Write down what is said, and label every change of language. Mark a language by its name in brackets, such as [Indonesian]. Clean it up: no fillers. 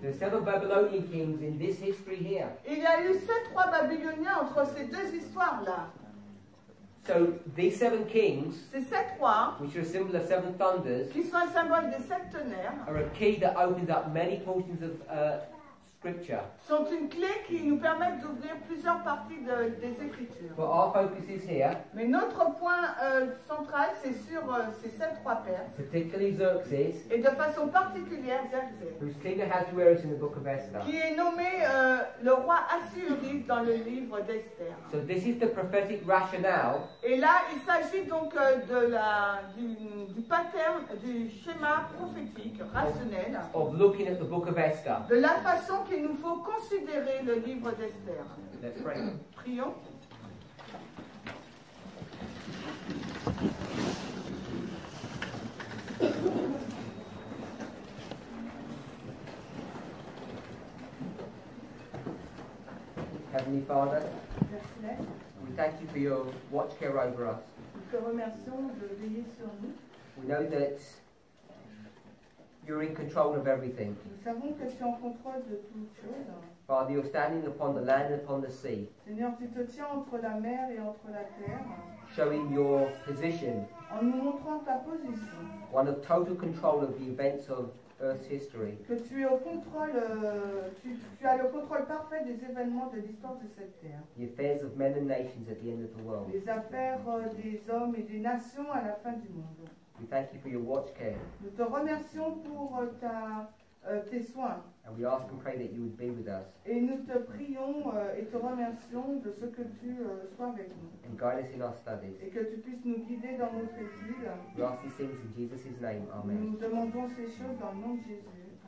[English] There are seven Babylonian kings in this history here. [French] Il y a eu sept rois babyloniens entre ces deux histoires-là. [English] So these seven kings, [French] ces sept rois, [English] which are a symbol of seven thunders, [French] qui sont un symbole des sept tonnerres, [English] are a key that opens up many portions of scripture. [French] Sont une clé qui nous permet d'ouvrir plusieurs parties des écritures. [English] But our focus is here. [French] Mais notre point central, c'est sur ces sept rois perses. [English] Particularly Xerxes. [French] Et de façon particulière Xerxes. [English] Whose king Ahasuerus in the book of Esther. [French] Qui est nommé le roi Assyrie dans le livre d'Esther. [English] So this is the prophetic rationale. [French] Et là, il s'agit donc du pattern, du schéma prophétique rationnel. [English] Of looking at the book of Esther. [French] De la façon qu'il nous faut considérer le livre d'Esther. [English] Let's pray. [French] Prions. [English] Heavenly Father, [French] merci. [English] We thank you for your watch care over us. [French] Nous te remercions de veiller sur nous. [English] We know that you're in control of everything. [French] Nous savons que tu es en contrôle de toutes choses. [English] Father, you're standing upon the land and upon the sea. [French] Seigneur, tu te tiens entre la mer et entre la terre. [English] Showing your position. [French] En nous montrant ta position. [English] One of total control of the events of Earth's history. [French] Que tu es au contrôle, tu as le contrôle parfait des événements de l'histoire de cette terre. [English] The affairs of men and nations at the end of the world. [French] Les affaires des hommes et des nations à la fin du monde. [English] We thank you for your watch care. [French] Nous te remercions pour tes soins. [English] And we ask and pray that you would be with us. [French] Et nous te prions et te remercions de ce que tu sois avec nous. [English] And guide us in our studies. [French] Et que tu puisses nous guider dans notre étude. [English] We ask these things in Jesus' name. Amen. [French] Nous demandons ces choses dans le nom de Jésus.